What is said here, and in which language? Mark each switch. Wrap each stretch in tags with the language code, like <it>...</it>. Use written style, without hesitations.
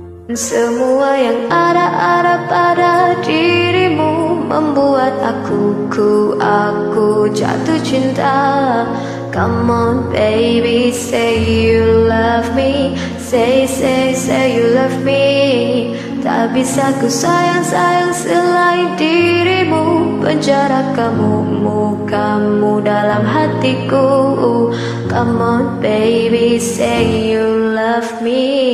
<id>Semua yang ada pada dirimu membuat aku jatuh cinta.</id> <en>Come on baby, say you love me. Say you love me.</en> <id>Tak bisa ku sayang selain dirimu. Penjara kamu, mukamu dalam hatiku.</id> <en>Come on baby, say you love me.</en>